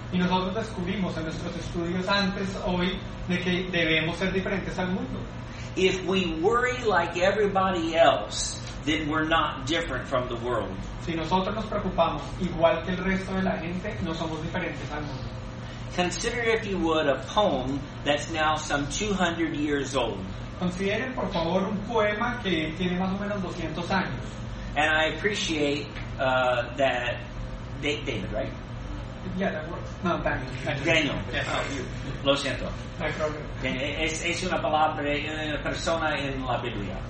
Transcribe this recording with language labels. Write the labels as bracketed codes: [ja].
[es] Y nosotros descubrimos en nuestros estudios antes hoy de que debemos ser diferentes al mundo. [en] If we worry like everybody else, then we're not different from the world. [es] Si nosotros nos preocupamos igual que el resto de la gente, no somos diferentes al mundo. [en] Consider, if you would, a poem that's now some 200 years old. [es] Consideren, por favor, un poema que tiene más o menos 200 años. [en] And I appreciate that David, right? Yeah, that works. No, Daniel. [es] Daniel. Oh, lo siento. [en] No problem. [es] Es una palabra, una persona en la Biblia.